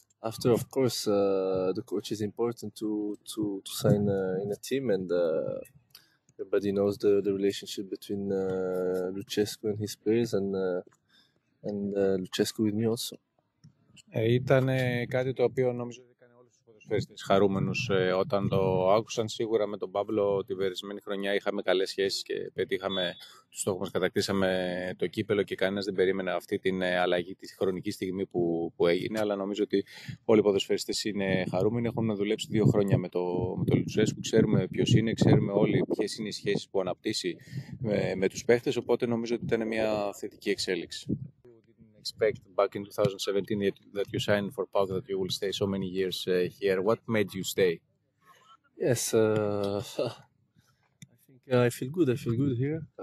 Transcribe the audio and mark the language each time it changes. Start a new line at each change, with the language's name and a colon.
English: After, of course, the coach is important to sign in a team, and everybody knows the relationship between Lucescu and his players, and Lucescu with me also.
Greek: Ήταν κάτι το οποίο νομίζω ότι έκανε όλους τους ποδοσφαιριστές χαρούμενους όταν το άκουσαν. Σίγουρα με τον Παύλο την περασμένη χρονιά είχαμε καλές σχέσεις και πετύχαμε τους στόχους μας, κατακτήσαμε το κύπελο και κανένας δεν περίμενε αυτή την αλλαγή τη χρονική στιγμή που έγινε. Αλλά νομίζω ότι όλοι οι ποδοσφαιριστές είναι χαρούμενοι. Έχουν να δουλέψει 2 χρόνια με το Λουτσέσκου. Ξέρουμε ποιος είναι, ξέρουμε όλοι ποιες είναι οι σχέσεις που αναπτύσσει με τους παίχτες. Οπότε νομίζω ότι ήταν μια θετική εξέλιξη.
English: Expect back in 2017 that you signed for PAOK that you will stay so many years here. What made you stay? Yes, I think I feel good. I feel good here.